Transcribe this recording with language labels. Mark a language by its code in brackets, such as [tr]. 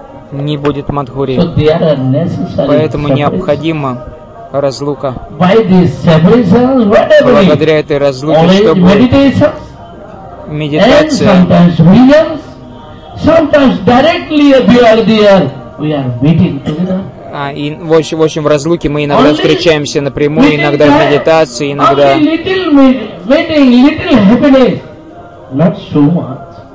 [ru] Не будет мадхури. Поэтому необходимо разлука. Благодаря этой разлуке, чтобы медитация. [en] And sometimes directly we are there. We are meeting together. [ru] И в общем в разлуке мы иногда встречаемся напрямую, иногда в медитации, иногда. [en] Only little meeting, little happiness, not so much.